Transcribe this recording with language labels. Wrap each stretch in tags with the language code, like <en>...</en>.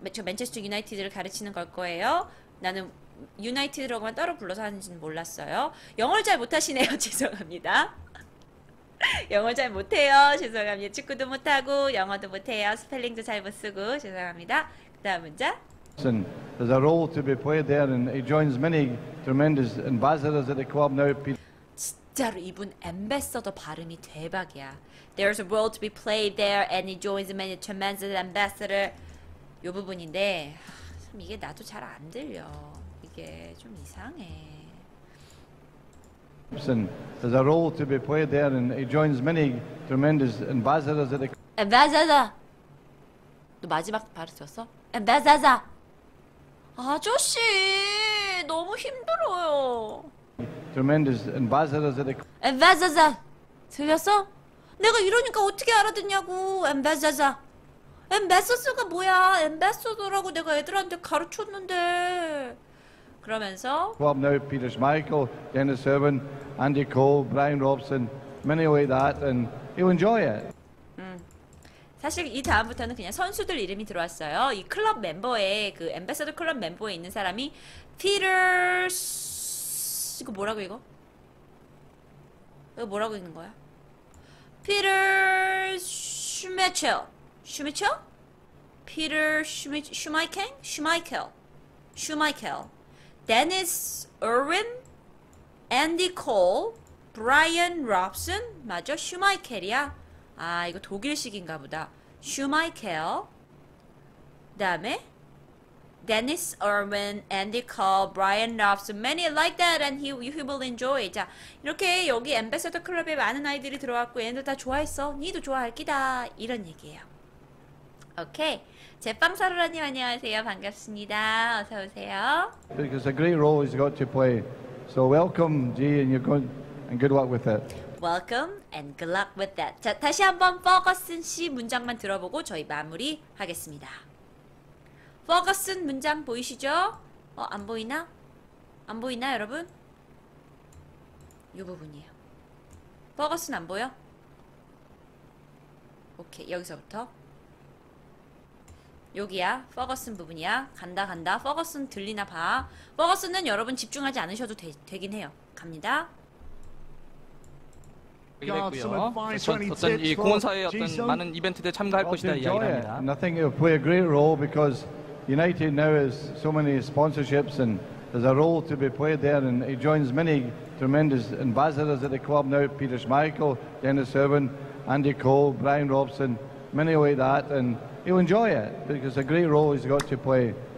<ko>저 맨체스터 유나이티드를 가르치는 걸 거예요. 나는 유나이티드라고만 따로 불러서 하는지는 몰랐어요. 영어를 잘 못하시네요. 죄송합니다. 영어 잘 못해요. 죄송합니다. 축구도 못하고 영어도 못해요. 스펠링도 잘 못쓰고 죄송합니다. 그 다음 문자.</ko> <en>And there's a role to be played there, and he joins many tremendous ambassadors at the club now.</en> <ko>진짜로 이분 ambassador 발음이 대박이야.</ko> <en>There's a role to be played there, and he joins many tremendous ambassadors.</en> <ko>요 부분인데 참 이게 나도 잘 안 들려. 이게 좀 이상해.</ko> <en>And there's a role to be played there, and he joins many tremendous ambassadors at the</en> <ko>club. Ambassador. 너 마지막 발음 썼어? Ambassador. 아저씨 너무 힘들어요.</ko> <en>Tremendous ambassadors at the club.</en> <ko>Ambassador 들렸어? 내가 이러니까 어떻게 알아듣냐고. Ambassador. Ambassador가 뭐야? Ambassador라고 내가 애들한테 가르쳤는데. 그러면서</ko> <en>Club now Peter Schmeichel, Dennis Irwin, Andy Cole, Brian Robson, many like that, and he'll enjoy it.</en> <ko>사실 이 다음부터는 그냥 선수들 이름이 들어왔어요. 이 클럽 멤버에 그 앰버서더 클럽 멤버에 있는 사람이 피터스 이거 뭐라고 이거 뭐라고 있는 거야? 피터 슈메첼 슈메첼 피터 슈마이켄 슈마이켈 데니스 어윈 앤디 콜 브라이언 롭슨 맞아 슈마이켈이야. 아 이거 독일식인가 보다. 슈마이켈 다음에 데니스 어윈 앤디 콜 브라이언 롭슨</ko> <en>many like that and he will enjoy.</en> <ko>자 이렇게 여기 앰버서더 클럽에 많은 아이들이 들어왔고 얘네들 다 좋아했어. 니도 좋아할 기다 이런 얘기예요. 오케이. 제빵사루라님 안녕하세요. 반갑습니다. 어서오세요.</ko> <en>Because a great role he's got to play. So welcome G and you're going and good luck with it. Welcome and good luck with that.</en> <ko>자, 다시 한번 퍼거슨 씨 문장만 들어보고 저희 마무리 하겠습니다. 퍼거슨 문장 보이시죠? 안 보이나? 안 보이나 여러분? 이 부분이에요. 퍼거슨 안 보여? 오케이, 여기서부터. 여기야, 퍼거슨 부분이야. 간다. 퍼거슨 들리나 봐. 퍼거슨은 여러분 집중하지 않으셔도 되긴 해요. 갑니다. 어떤 이 공원사의 어떤 많은 이벤트들 참가할 것이다 이야기합니다.</ko> <en>I think it will play a great role because United now has so many sponsorships and there's a role to be played there and he joins many tremendous ambassadors at the club now. Peter Schmeichel, Dennis Irwin, Andy Cole, Brian Robson, many like that and he'll enjoy it because it's a great role he's got to play.</en>